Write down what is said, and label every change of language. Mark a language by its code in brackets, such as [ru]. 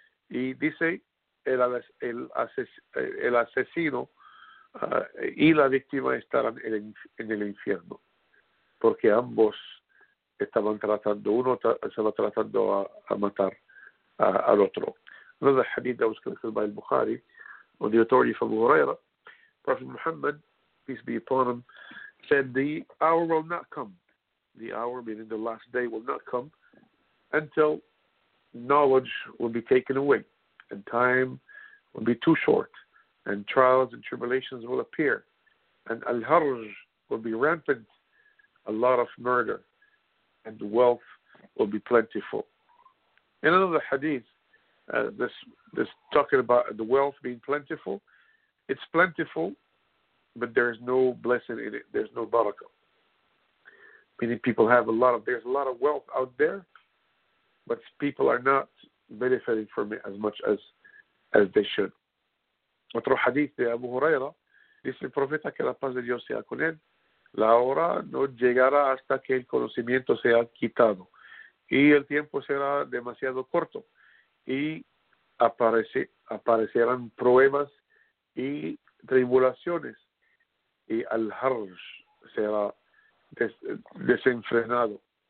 [es] Y dice, el asesino y la víctima estarán en el infierno, porque ambos estaban tratando, uno estaba tratando a matar al otro. [en] Another hadith that was collected by al-Bukhari on the authority of Abu Huraira, Prophet Muhammad, peace be upon him, said, "The hour will not come," the hour meaning the last day, "will not come until knowledge will be taken away, and time will be too short and trials and tribulations will appear, and al-harj will be rampant, a lot of murder, and wealth will be plentiful. In another hadith, this talking about the wealth being plentiful, it's plentiful, but there is no blessing in it. There's no barakah. Many people have a lot of, there's a lot of wealth out there, but people are not benefiting from it as much as they should. [es] Another hadith, the Abu Huraira, dice el profeta que la paz de Dios sea con él, la hora no llegará hasta que el conocimiento sea quitado, y el tiempo será demasiado corto, y aparecerán pruebas y tribulaciones, y al-harj será desenfrenado.